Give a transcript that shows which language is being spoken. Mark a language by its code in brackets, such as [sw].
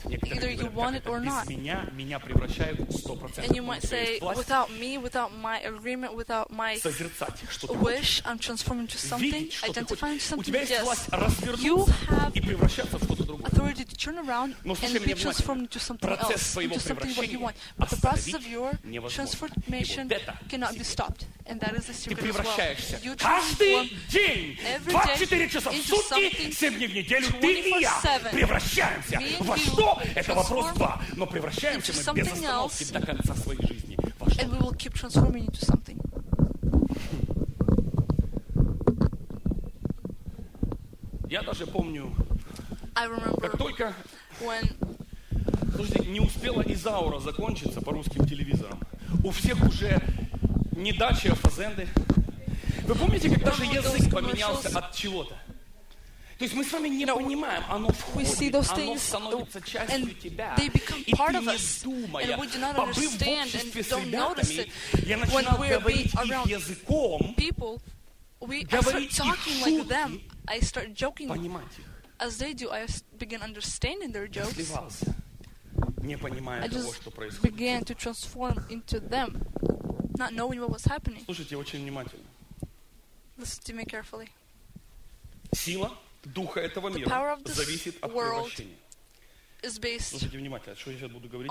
[ru] Некоторые говорят, как это, без меня, меня превращают 100%. [en] And you might say, without me, without my agreement, without my wish, I'm transforming into something, identifying into something. [ru] У тебя есть власть развернуться и превращаться в что-то другое. [en] Authority to turn around and be transformed into something else, into something what you want. But the process of your transformation cannot be stopped. And that is the secret. [ru] Ты превращаешься каждый день, 24 часа в сутки, 7 дней в неделю, ты и я превращаемся во что? Это вопрос два. Но превращаемся мы без остановки до конца своей жизни во что? [en] And we will keep transforming into something. [ru] Я даже помню, как только... [en] When... [ru] Слушайте, не успела Изаура закончиться по русским телевизорам. У всех уже... Не дачи, а фазенды. Вы помните, как даже язык поменялся от чего-то? То есть мы с вами не понимаем, оно входит, оно становится частью тебя. И ты не думая, побыв в обществе с ребятами, я начинал говорить их языком, понимать их. [en] As they do, I begin understanding their jokes. [ru] Я сливался, не понимая того, что происходит. [en] I began to transform into them. Not knowing what was happening. [ru] Слушайте очень внимательно. [en] Listen to me carefully. [ru] Сила духа этого мира зависит от превращения. Слушайте внимательно, что я сейчас буду говорить.